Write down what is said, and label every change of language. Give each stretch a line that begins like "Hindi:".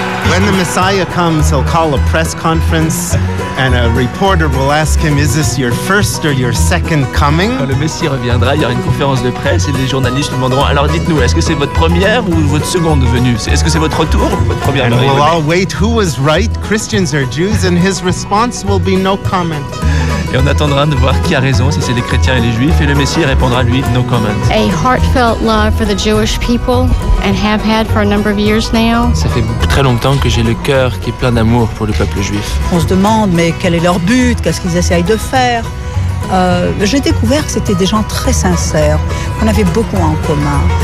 English: When the Messiah comes, he'll call a press conference and a reporter will ask him, is this your first or your second coming?
French: Quand le Messie reviendra, il y aura une conférence de presse et les journalistes lui demanderont, alors dites-nous, est-ce que c'est votre première ou votre seconde venue? Est-ce que c'est votre retour ou votre première venue?
English: And we'll all wait, who was right, Christians or Jews? And his response will be no comment.
French: Et on attendra de voir qui a raison, si c'est les chrétiens et les juifs, et le Messie répondra lui,
English: no comment. A heartfelt love for the Jewish people, and have had for a number of years now.
French: Ça fait très longtemps que j'ai le cœur qui est plein d'amour pour le peuple juif. On se demande, mais quel est leur but, qu'est-ce qu'ils essayent de faire? J'ai découvert que c'était des gens très sincères, qu'on avait beaucoup en commun.